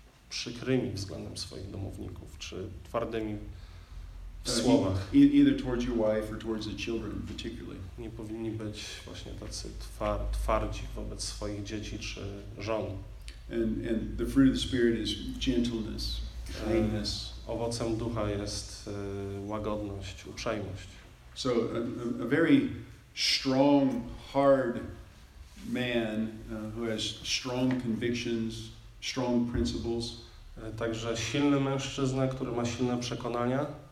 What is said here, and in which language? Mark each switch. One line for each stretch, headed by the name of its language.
Polish: przykrymi względem swoich domowników, czy twardymi w słowach.
English: Either towards your wife or towards the children particularly.
Polish: Nie powinni być właśnie tacy twardzi wobec swoich dzieci czy żon.
English: And the fruit of the Spirit is gentleness, kindness.
Polish: Owocem ducha jest łagodność, uprzejmość.
English: So a very strong, hard man who has strong convictions, strong principles.
Polish: Także silny mężczyzna, który ma silne przekonania.